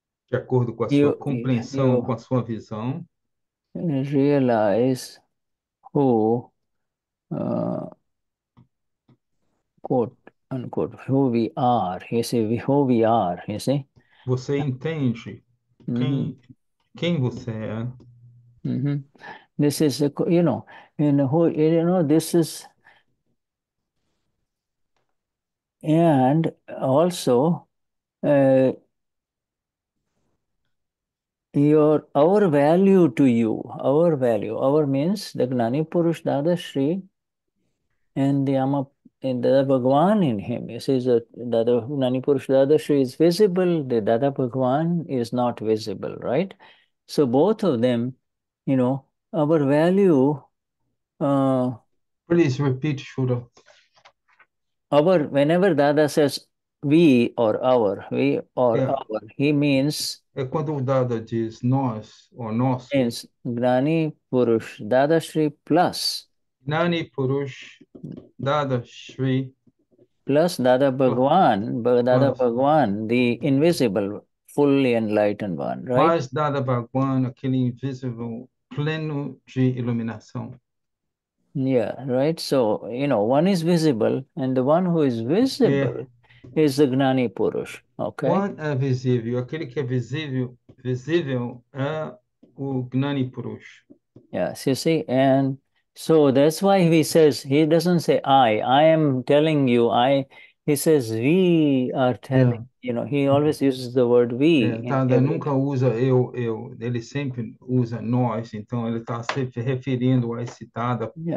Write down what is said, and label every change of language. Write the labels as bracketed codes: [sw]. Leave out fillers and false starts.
[pt] De acordo com a sua compreensão, com a sua visão, [en] realize who, quote unquote, who we are, you see, who we are, you see. [pt] Você entende quem você é? [en] This is a, this is, and also, our value to you, our value, our means the Gnani Purush Dadashri and the Yama, and Dadabgwan in him. He says that Dada Gnani Purush Dadashri is visible, the Dadabgwan is not visible, right? So both of them, you know, our value, please repeat, Shura. Whenever Dada says we or our, he means, [pt] é quando o Dada diz nós ou nosso. [en] Means Gnani Purush Dadashri plus. Gnani Purush Dadashri. Plus Dadabgwan, Dadabgwan, the invisible, fully enlightened one, right? [pt] Mais Dadabgwan, aquele invisível, pleno de iluminação. [en] Yeah, right? So, you know, one is visible, and the one who is visible is the Gnani Purush, okay? [pt] One é visível, aquele que é visível, visível é o Gnani Purush. [en] Yes, you see, and so that's why he says, he doesn't say I am telling you, he says we are telling, you know, he always uses the word we. [pt] Dada nunca usa eu, ele sempre usa nós, então ele está se referindo a esse Dada.